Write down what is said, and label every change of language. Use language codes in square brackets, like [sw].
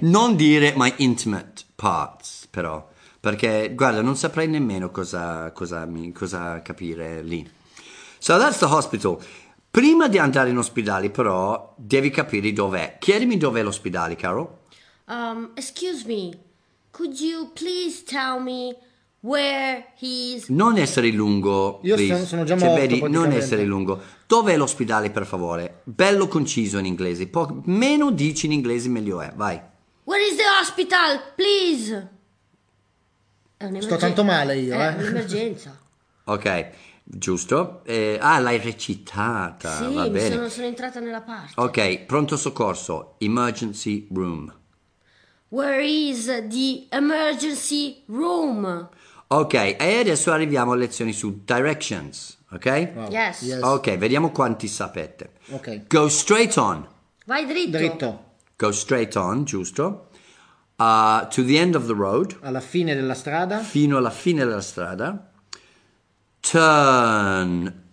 [it] Non dire [en] my intimate parts, [it] però. Perché, guarda, non saprei nemmeno cosa capire lì. [en] So that's the hospital. [it] Prima di andare in ospedale, però, devi capire dov'è. Chiedimi dov'è l'ospedale, caro. [en] Excuse me, could you please tell me where he's... [it] Non essere lungo, please. Io sono già morto, vedi, non essere lungo. Dov'è l'ospedale, per favore? Bello conciso in inglese. Meno dici in inglese, meglio è. Vai. [en] Where is the hospital, please? [it] Sto tanto male io, È un'emergenza. Ok, giusto. L'hai recitata. Sì, va bene. Sono entrata nella parte. Ok, pronto soccorso. [en] Emergency room. Where is the emergency room? [it] Ok, e adesso arriviamo alle lezioni su directions. Ok? [en] Wow. Yes. [it] Ok, vediamo quanti sapete. Ok. [en] Go straight on. [it] Vai dritto. Dritto. [en] Go straight on, giusto. To the end of the road. [it] Alla fine della strada. Fino alla fine della strada. Turn.